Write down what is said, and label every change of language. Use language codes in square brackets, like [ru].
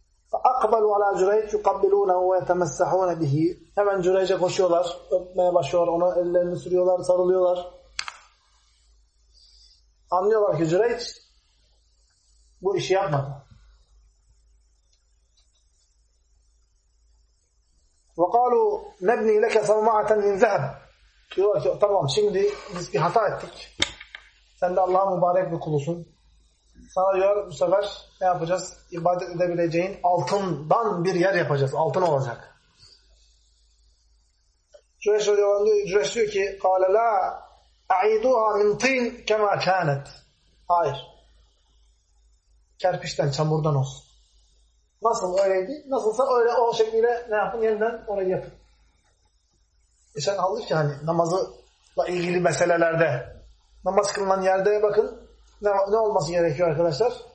[ar] Fe'akbalu ala Cüreyc yukabbilunehu ve yetemessahune bihi. [tr] Hemen Cüreyc'e koşuyorlar. Öpmeye başlıyorlar. Ona ellerini sürüyorlar. Sarılıyorlar. Anlıyorlar ki Cüreyc bu işi yapmadı. [ar] وقالوا نبني لك صومعة من ذهب. [tr] Diyorlar ki tamam şimdi biz bir hata ettik. Sen de Allah'a mübarek bir kulusun. Sana diyor bu sefer ne yapacağız? İbadet edebileceğin altından bir yer yapacağız. Altın olacak. Cüreş diyor ki [ar] قَالَ لَا اَعِيدُهَا مِنْ تِنْ كَمَا كَانَتْ. [tr] Hayır. Kerpiçten, çamurdan olsun. Nasıl öyleydi? Nasılsa öyle o şekilde ne yapın? Yeniden orayı yapın. Sen aldık ki hani namazla ilgili meselelerde, namaz kılınan yerde bakın ne olması gerekiyor arkadaşlar?